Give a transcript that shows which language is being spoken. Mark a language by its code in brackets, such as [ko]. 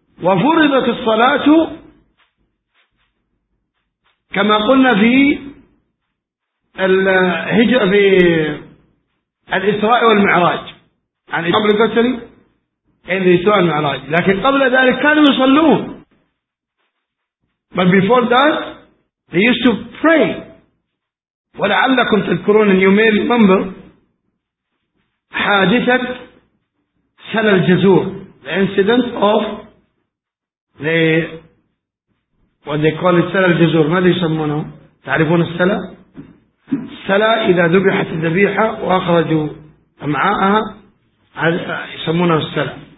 [ar] وفرضت الصلاة كما قلنا في الهجرة في الإسراء والمعراج عن قبل قتل الإسراء والمعراج، لكن قبل ذلك كانوا يصلون. [en] But before that they used to pray. [ar] ولعلكم تذكرون أن يومين المنبر حادثة سل الجزور [en] the incident of the what they call it [ar] سل الجزور، ماذا يسمونه؟ تعرفون السلة؟ السلة إذا ذبحت الذبيحة وأخرجوا أمعاءها يسمونه السلة.